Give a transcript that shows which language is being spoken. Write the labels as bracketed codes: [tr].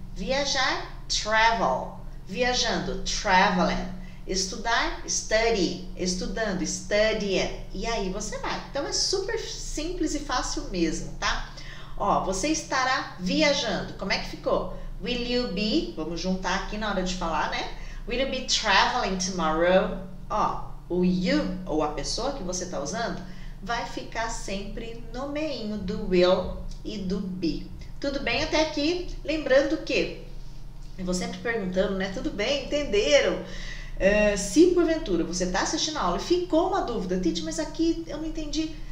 [pt] Viajar, travel. Viajando, traveling. Estudar, study. Estudando, studying. E aí você vai. Então, é super simples e fácil mesmo, tá? Ó, você estará viajando. Como é que ficou? [en] Will you be? [pt] Vamos juntar aqui na hora de falar, né? [en] Will you be traveling tomorrow? [pt] Ó, o you, ou a pessoa que você está usando, vai ficar sempre no meinho do will e do be. Tudo bem até aqui? Lembrando que eu vou sempre perguntando, né? Tudo bem? Entenderam? Se porventura você está assistindo a aula e ficou uma dúvida, Titi, mas aqui eu não entendi.